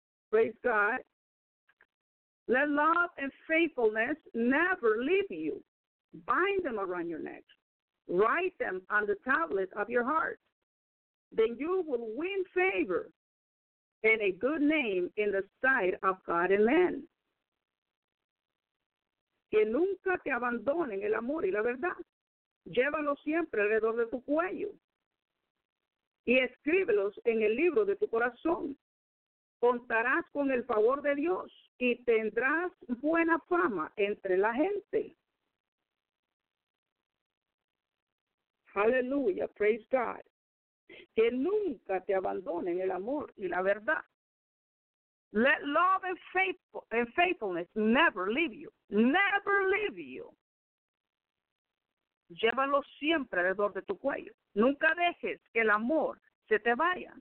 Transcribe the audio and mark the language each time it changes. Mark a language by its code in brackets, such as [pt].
[en] Praise God. Let love and faithfulness never leave you. Bind them around your neck. Write them on the tablet of your heart. Then you will win favor and a good name in the sight of God and men. [es] Que nunca te abandonen el amor y la verdad. Llévalo siempre alrededor de tu cuello. Y escríbelos en el libro de tu corazón. Contarás con el favor de Dios y tendrás buena fama entre la gente. [en] Hallelujah, praise God. [es] Que nunca te abandonen el amor y la verdad. [en] Let love and faithfulness never leave you. Never leave you. [es] Llévalo siempre alrededor de tu cuello. Nunca dejes que el amor se te vaya.